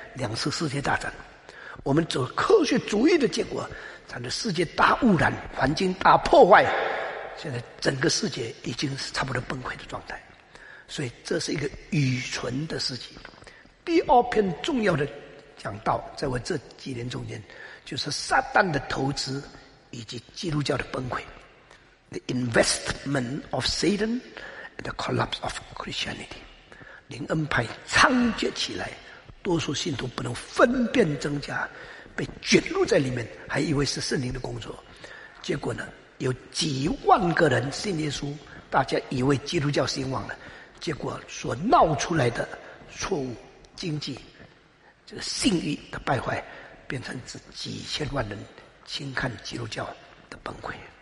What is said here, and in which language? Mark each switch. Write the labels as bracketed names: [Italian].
[Chinese] 2次世界大战，我们走科学主义的结果，产生世界大污染、环境大破坏，现在整个世界已经是差不多崩溃的状态。所以这是一个愚蠢的事情。第二篇重要的讲道，在我这几年中间，就是撒旦的投资以及基督教的崩溃。 [English] The investment of Satan and the collapse of Christianity. [Chinese] 灵恩派猖獗起来，多数信徒不能分辨真假，被卷入在里面，还以为是圣灵的工作。结果呢，有几万个人信耶稣，大家以为基督教兴旺了。结果所闹出来的错误经济，这个信誉的败坏，变成是几千万人轻看基督教的崩溃。